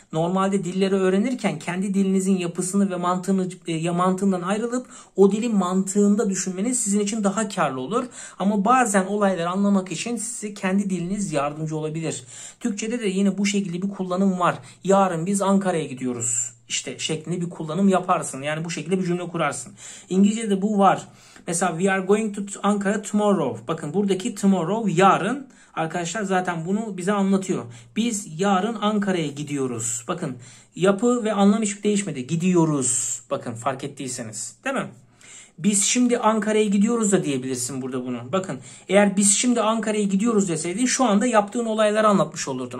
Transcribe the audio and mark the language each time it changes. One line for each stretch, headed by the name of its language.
Turkish: Normalde dilleri öğrenirken kendi dilinizin yapısını ve mantığından ayrılıp o dilin mantığında düşünmeniz sizin için daha karlı olur. Ama bazen olayları anlamak için size kendi diliniz yardımcı olabilir. Türkçe'de de yine bu şekilde bir kullanım var. Yarın biz Ankara'ya gidiyoruz. İşte şeklinde bir kullanım yaparsın. Yani bu şekilde bir cümle kurarsın. İngilizce'de bu var. Mesela
English: we are going to Ankara tomorrow.
Turkish: Bakın buradaki tomorrow yarın arkadaşlar zaten bunu bize anlatıyor. Biz yarın Ankara'ya gidiyoruz. Bakın yapı ve anlam hiç değişmedi. Gidiyoruz. Bakın fark ettiyseniz. Değil mi? Biz şimdi Ankara'ya gidiyoruz da diyebilirsin burada bunu. Bakın eğer biz şimdi Ankara'ya gidiyoruz deseydin şu anda yaptığın olayları anlatmış olurdun.